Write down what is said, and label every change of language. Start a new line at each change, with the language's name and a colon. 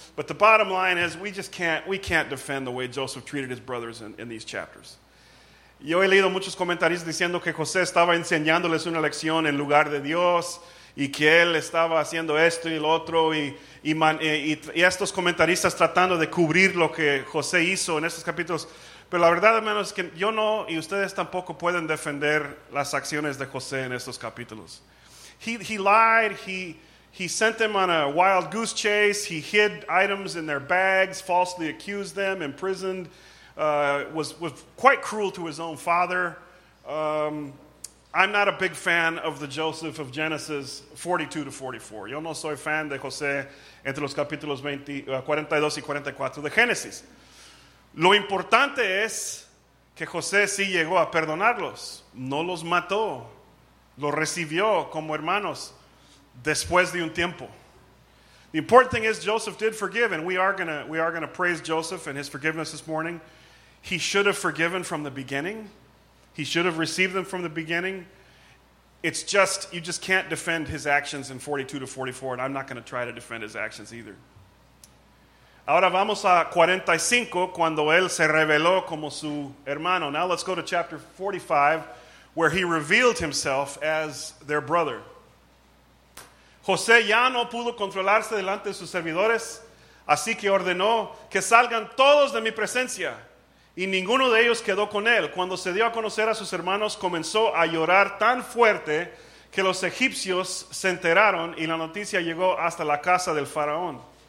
English: But the bottom line is we can't defend the way Joseph treated his brothers in these chapters.
Spanish: Yo he leído muchos comentarios diciendo que José estaba enseñándoles una lección en lugar de Dios. Y que él estaba haciendo esto y lo otro y estos comentaristas tratando de cubrir lo que José hizo en estos capítulos. Pero la verdad, hermanos, es que yo no y ustedes tampoco pueden defender las acciones de José en estos capítulos.
English: He lied, he sent them on a wild goose chase, he hid items in their bags, falsely accused them, imprisoned, was quite cruel to his own father. I'm not a big fan of the Joseph of Genesis 42 to 44.
Spanish: Yo no soy fan de José entre los capítulos 42 y 44 de Génesis. Lo importante es que José sí llegó a perdonarlos. No los mató. Los recibió como hermanos después de un tiempo.
English: The important thing is Joseph did forgive, and we are gonna praise Joseph and his forgiveness this morning. He should have forgiven from the beginning. He should have received them from the beginning. It's just, you just can't defend his actions in 42 to 44, and I'm not going to try to defend his actions either.
Spanish: Ahora vamos a 45, cuando él se reveló como su hermano.
English: Now let's go to chapter 45, where he revealed himself as their brother.
Spanish: José ya no pudo controlarse delante de sus servidores, así que ordenó que salgan todos de mi presencia. Y ninguno de ellos quedó con él. Cuando se dio a conocer a sus hermanos, comenzó a llorar tan fuerte que los egipcios se enteraron y la noticia llegó hasta la casa del faraón.